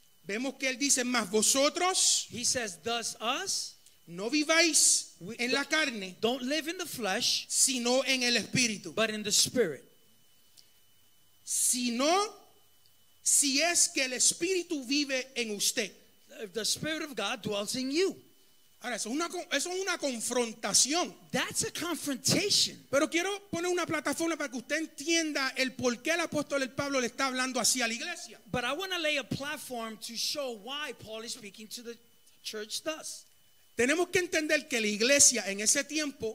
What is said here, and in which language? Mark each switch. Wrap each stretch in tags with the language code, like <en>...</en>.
<es>Vemos que él dice, más vosotros,</es> <en>he says, thus us,</en> <es>no viváis en la carne,</es> <en>don't live in the flesh,</en> <es>sino en el espíritu,</es> <en>but in the spirit.</en> <es>Sino, si es que el espíritu vive en usted.</es> <en>If the spirit of God dwells in you.</en> <es>Ahora, eso es una confrontación.</es> <en>That's a confrontation.</en> <es>Pero quiero poner una plataforma para que usted entienda el por qué el apóstol Pablo le está hablando así a la iglesia.</es> <en>But I want to lay a platform to show why Paul is speaking to the church thus.</en> <es>Tenemos que entender que la iglesia en ese tiempo</es>